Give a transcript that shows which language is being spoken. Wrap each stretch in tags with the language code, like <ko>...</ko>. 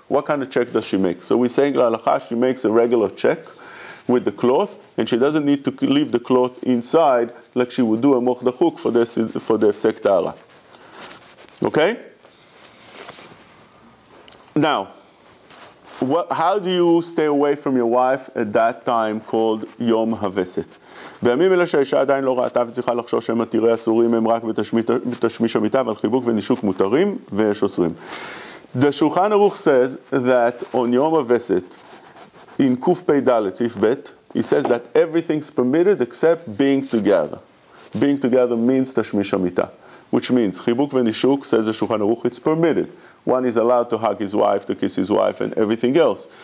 <en>What kind of check does she make? So we're saying la'alacha, she makes a regular check with the cloth, and she doesn't need to leave the cloth inside like she would do a moch dachuk for the Hefsek Tahara. Okay? Now, how do you stay away from your wife at that time called Yom HaVeset?</en> <he>בימים אלה שהאישה עדיין לא ראתה וצריכה לחשוש שמא תראה אסורים הם רק בתשמיש המיטה, אבל חיבוק ונישוק מותרים ויש אוסרים.</he> <en>The Shulchan Aruch says that on Yom HaVeset, in Kuf Pei Dalet, Sif Bet, he says that everything's permitted except being together. Being together means תשמיש המיטה, which means</en> <he>חיבוק ונישוק,</he> <en>says the Shulchan Aruch, it's permitted. One is allowed to hug his wife, to kiss his wife, and everything else.</en>